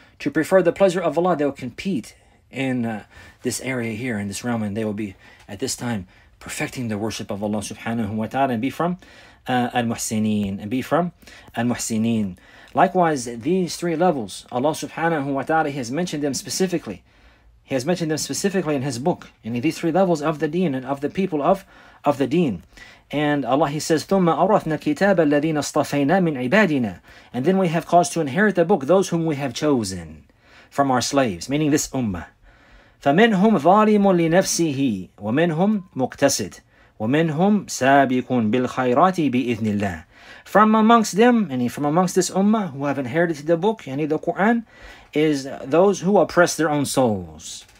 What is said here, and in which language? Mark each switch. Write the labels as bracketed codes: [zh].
[en] To prefer the pleasure of Allah, they will compete in this area here, in this realm, and they will be at this time perfecting the worship of Allah subhanahu wa ta'ala and be from al-muhsineen. And be from al-muhsineen. Likewise, these three levels, Allah subhanahu wa ta'ala, He has mentioned them specifically. He has mentioned them specifically in His book, in these three levels of the deen and of the people of the deen. And Allah, He says, [ar] ثُمَّ أَرَثْنَا كِتَابَ الَّذِينَ اصْطَفَيْنَا مِنْ عِبَادِنَا. [en] And then we have caused to inherit the book those whom we have chosen from our slaves, meaning this ummah. [ar] فَمِنْهُمْ ظَالِمٌ لِنَفْسِهِ وَمِنْهُمْ مُقْتَسِدٌ وَمِنْهُمْ سَابِقٌ بِالْخَيْرَاتِ بِإِذْنِ اللَّهِ. [en] From amongst them, meaning from amongst this ummah who have inherited the book, yani the Quran, is those who oppress their own souls.